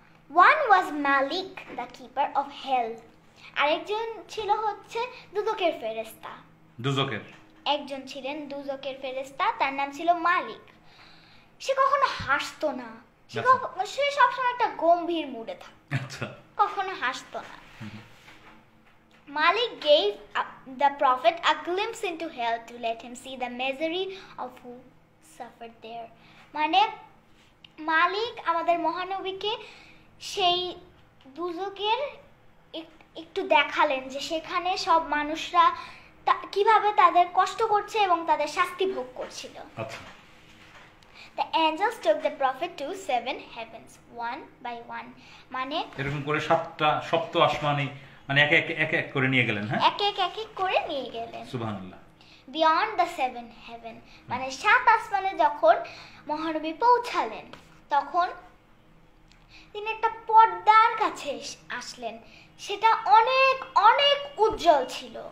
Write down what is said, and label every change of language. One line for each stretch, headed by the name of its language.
English: one was Malik the keeper of hell,
Bangla: আরেকজন ছিল হচ্ছে দুদকের ফেরেশতা। দুদকের, একজন ছিলেন দুজকের ফেরেস্তা, তার নাম ছিল মালিক। সে কখনো হাসতো না, সে সবসময় একটা গম্ভীর মুডে থাকতো, কখনো হাসতো না।
English: Malik gave the prophet a glimpse into hell to let him see the misery of who suffered there.
Bangla: মানে মালিক আমাদের মহানবীকে সেই দুজকের একটু দেখালেন যে সেখানে সব মানুষরা কিভাবে তাদের কষ্ট করছে এবং তাদের শাস্তি ভোগ করছিল।
English: The angels took the prophet to seven heavens one by one.
Bangla: মানে এরকম করে সাতটা সপ্ত আসমানে মানে এক এক এক এক করে নিয়ে গেলেন। হ্যাঁ, এক এক এক এক করে নিয়ে গেলেন। সুবহানাল্লাহ।
English: Beyond the seven heaven
Bangla: মানে সাত আসমানে যখন মহানবী পৌঁছালেন তখন তিনি একটা পর্দার কাছে আসলেন, সেটা অনেক অনেক উজ্জ্বল ছিল।